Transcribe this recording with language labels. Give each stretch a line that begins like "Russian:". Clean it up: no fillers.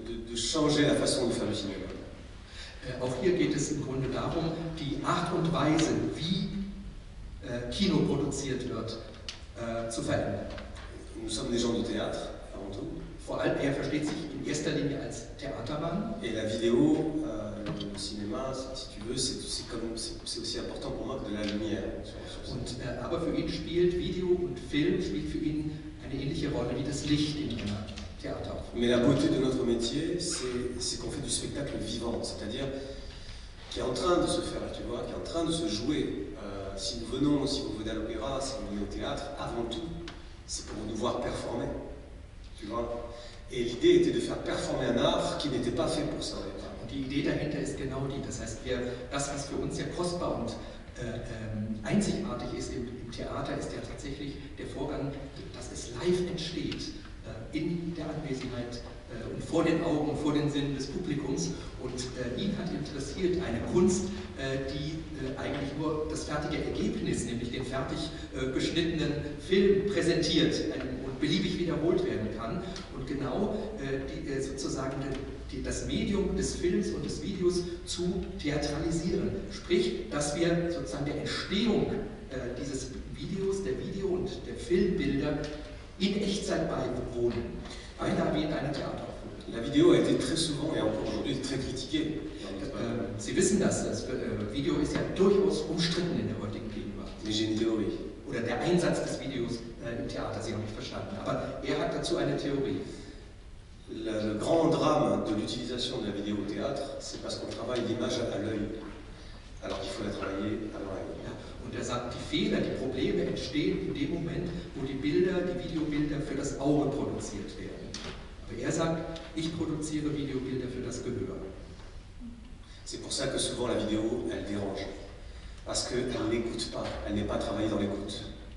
French: De changer la façon de faire le cinéma.
German: Auch hier geht es im Grunde darum, die Art und Weise, wie Kino produziert wird, zu verändern.
French: Nous sommes des gens de théâtre, avant tout.
German: Vor allem, er versteht sich in erster Linie als Theatermann.
French: Et la vidéo, le cinéma, si tu veux, c'est aussi important pour moi que de la lumière.
German: Aber für ihn spielt Video und Film spielt für ihn eine ähnliche Rolle wie das Licht in einem Theater.
French: Mais la beauté de notre métier, c'est qu'on fait du spectacle vivant, c'est-à-dire qui est en train de se faire, tu vois, qui est en train de se jouer. Si vous venez à l'opéra, si vous venez au théâtre, avant tout, c'est pour nous voir performer, tu vois. Et l'idée était de faire performer un art qui n'était pas fait pour ça.
German: Die Idee dahinter ist genau die, das heißt, das was für uns sehr kostbar und einzigartig ist im Theater, ist ja tatsächlich der Vorgang, dass es live entsteht. In der Anwesenheit und vor den Augen, vor den Sinnen des Publikums. Und ihn hat interessiert eine Kunst, die eigentlich nur das fertige Ergebnis, nämlich den fertig geschnittenen Film präsentiert und beliebig wiederholt werden kann. Und genau sozusagen das Medium des Films und des Videos zu theatralisieren. Sprich, dass wir sozusagen der Entstehung dieses Videos, der Video- und der Filmbilder in Echtzeit beiwohnen, beinahe wie in einer Theateraufführung.
French: La vidéo a été très souvent et encore aujourd'hui très critiquée.
German: Sie wissen das Video ist ja durchaus umstritten in der heutigen Gegenwart.
French: Mais j'ai une théorie.
German: Oder der Einsatz des Videos im Theater, Sie haben mich verstanden. Aber er hat dazu eine Theorie.
French: Le grand drame de l'utilisation de la vidéo au théâtre, c'est parce qu'on travaille l'image à l'œil, alors qu'il faut la travailler à l'oreille.
German: Und er sagt, die Fehler, die Probleme entstehen in dem Moment, wo die Bilder, die Videobilder für das Auge produziert werden. Aber er sagt, ich produziere Videobilder für das Gehör.
French: C'est pour ça que souvent la vidéo, elle dérange. Parce qu'elle n'écoute pas, elle n'est pas travaillée dans l'écoute.